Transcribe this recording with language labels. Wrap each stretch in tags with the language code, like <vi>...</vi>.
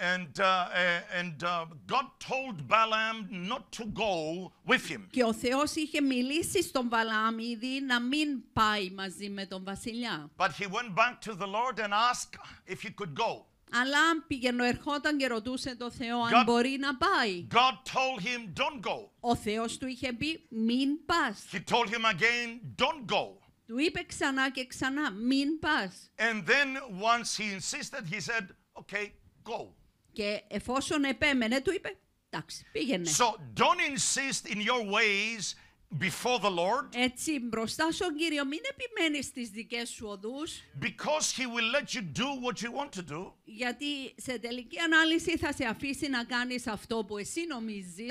<en>God told Balaam not to go with him.</en> <el>Και ο Θεός είχε μιλήσει στον Βαλάμ ήδη να μην πάει μαζί με τον βασιλιά.</el> <en>But he went back to the Lord and asked if he could go.</en> <el>Αλλά πήγαινε, ερχόταν και ρωτούσε τον Θεό αν μπορεί να πάει.</el> <en>God told him, don't go.</en> <el>Ο Θεός του είχε πει, μην πας.</el> <en>He told him again, don't go.</en> <el>Του είπε ξανά και ξανά, μην πας.</el> <en>And then once he insisted, he said, okay. Go.</en> <el>Και εφόσον επέμενε, του είπε, εντάξει, πήγαινε.</el> <en>So don't insist in your ways before the Lord.</en> <el>Έτσι, μπροστά στον Κύριο, μην επιμένεις στις δικές σου οδούς.</el> <en>Because he will let you do what you want to do.</en> <el>Γιατί σε τελική ανάλυση θα σε αφήσει να κάνεις αυτό που εσύ νομίζεις.</el>